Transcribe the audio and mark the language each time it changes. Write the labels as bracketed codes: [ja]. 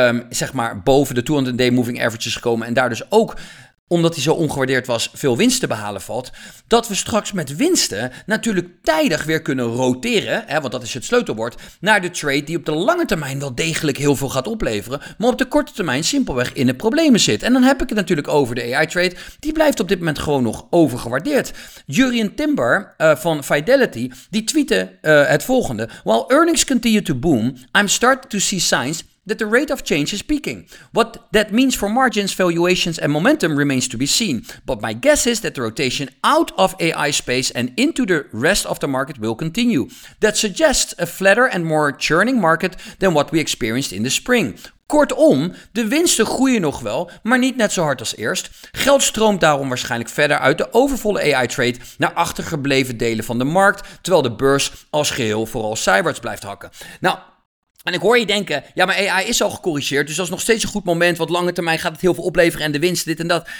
[nl] zeg maar boven de 200 day moving averages gekomen en daar dus ook, omdat hij zo ongewaardeerd was, veel winst te behalen valt, dat we straks met winsten natuurlijk tijdig weer kunnen roteren, hè, want dat is het sleutelwoord, naar de trade die op de lange termijn wel degelijk heel veel gaat opleveren, maar op de korte termijn simpelweg in de problemen zit. En dan heb ik het natuurlijk over de AI-trade. Die blijft op dit moment gewoon nog overgewaardeerd. Jurrien Timber van Fidelity, die tweette het volgende. [en] While earnings continue to boom, I'm starting to see signs that the rate of change is peaking. What that means for margins, valuations and momentum remains to be seen. But my guess is that the rotation out of AI space and into the rest of the market will continue. That suggests a flatter and more churning market than what we experienced in the spring. [nl] Kortom, de winsten groeien nog wel, maar niet net zo hard als eerst. Geld stroomt daarom waarschijnlijk verder uit de overvolle AI-trade naar achtergebleven delen van de markt, terwijl de beurs als geheel vooral zijwaarts blijft hakken. Nou, en ik hoor je denken, ja, maar AI is al gecorrigeerd, dus dat is nog steeds een goed moment, want lange termijn gaat het heel veel opleveren en de winst, dit en dat.